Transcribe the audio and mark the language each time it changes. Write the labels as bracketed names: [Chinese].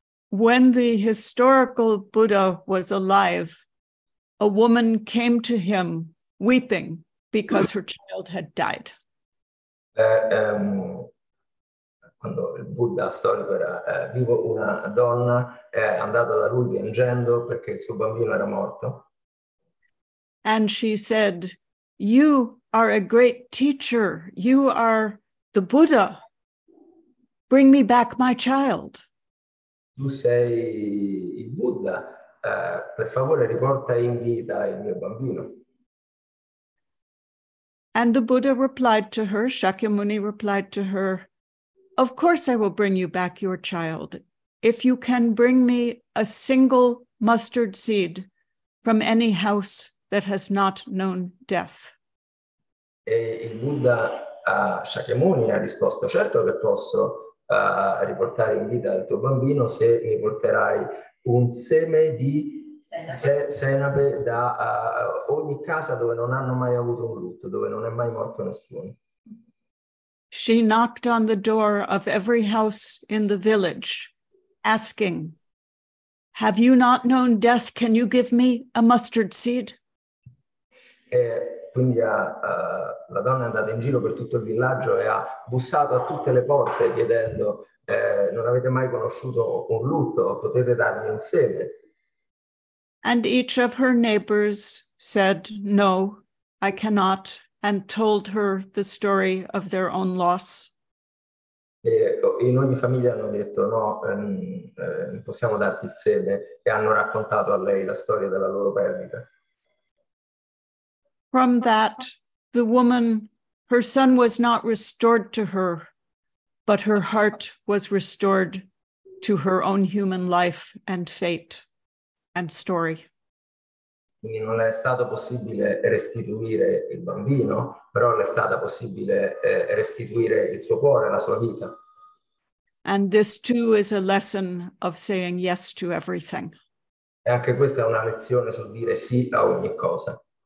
[English] When the historical Buddha was alive, a woman came to him weeping because her child had died. [Italian] Quando il Buddha storico era vivo, una donna è andata da lui piangendo perché il suo bambino era morto. [English] And she said, "You are a great teacher. You are the Buddha. Bring me back my child." [Italian] Tu sei il Buddha. Per favore, riporta in vita il mio bambino. [English] And the Buddha replied to her, Shakyamuni replied to her, "Of course I will bring you back your child. If you can bring me a single mustard seed from any house that has not known death." [Italian] E il Buddha Shakyamuni ha risposto, "Certo che posso riportare in vita il tuo bambino se mi porterai un seme di senape da ogni casa dove non hanno mai avuto un lutto, dove non è mai morto nessuno." [English] She knocked on the door of every house in the village, asking, "Have you not known death? Can you give me a mustard seed?" [Italian] E quindi la donna è andata in giro per tutto il villaggio e ha bussato a tutte le porte chiedendo, "Non avete mai conosciuto un lutto? Potete darmi un seme?" [English] And each of her neighbors said, "No, I cannot," and told her the story of their own loss. [Italian] E in ogni famiglia hanno detto, "No, non possiamo darti il seme," e hanno raccontato a lei la storia della loro perdita. [English] From that, the woman, her son was not restored to her, but her heart was restored to her own human life and fate and story. [Italian] Quindi non è stato possibile restituire il bambino, però è stata possibile restituire il suo cuore, la sua vita. [English] And this too is a lesson of saying yes to everything. [Italian] E anche questa è una lezione sul dire sì a ogni cosa.